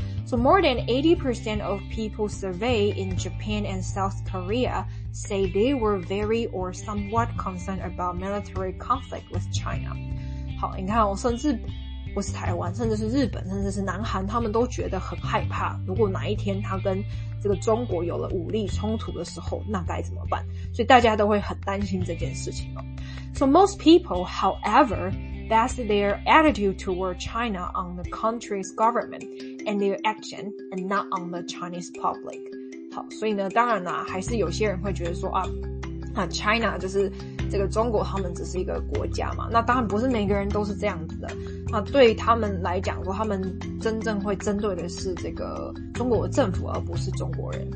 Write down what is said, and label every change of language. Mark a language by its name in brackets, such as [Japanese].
[English] So more than 80% of people surveyed in Japan and South Korea say they were very or somewhat concerned about military conflict with China. [Chinese] 好，你看哦，甚至不是台湾，甚至是日本，甚至是南韩，他们都觉得很害怕，如果哪一天他跟这个中国有了武力冲突的时候，那该怎么办？所以大家都会很担心这件事情哦。 [English] So most people, however,based their attitude toward China on the country's government and their action and not on the Chinese public. [Chinese] 好，所以呢，当然啦，还是有些人会觉得说啊 China 就是这个中国，他们只是一个国家嘛。那当然不是每个人都是这样子的。那对他们来讲说，他们真正会针对的是这个中国政府，而不是中国人。